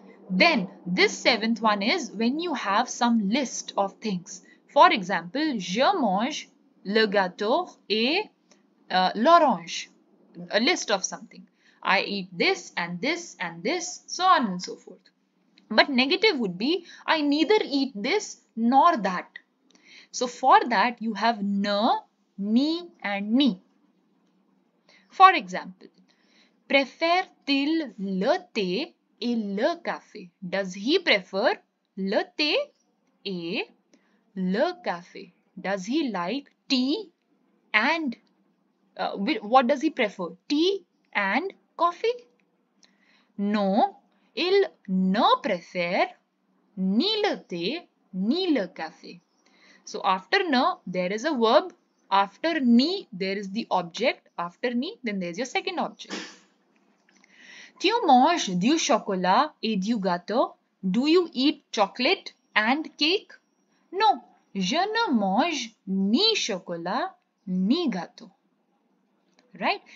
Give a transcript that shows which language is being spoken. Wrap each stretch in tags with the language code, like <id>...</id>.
<en>Then, this seventh one is when you have some list of things.</en> <fr>For example, je mange le gâteau et l'orange.</fr> <en>A list of something. I eat this and this and this, so on and so forth. But negative would be, I neither eat this nor that. So for that, you have ne, ni and ni. For example,</en> <fr>prefer til le thé et le café.</fr> <en>Does he prefer</en> <fr>le thé et le café?</fr> <en>Does he like tea and what does he prefer? Tea and coffee?</en> <fr>No, il ne préfère ni le thé ni le café.</fr> <en>So after ne, there is a verb. After ni, there is the object. After ni, then there is your second object.</en> <fr>Tu manges du chocolat et du gâteau?</fr> <en>Do you eat chocolate and cake?</en> <fr>No, je ne mange ni chocolat ni gâteau. Right?</fr>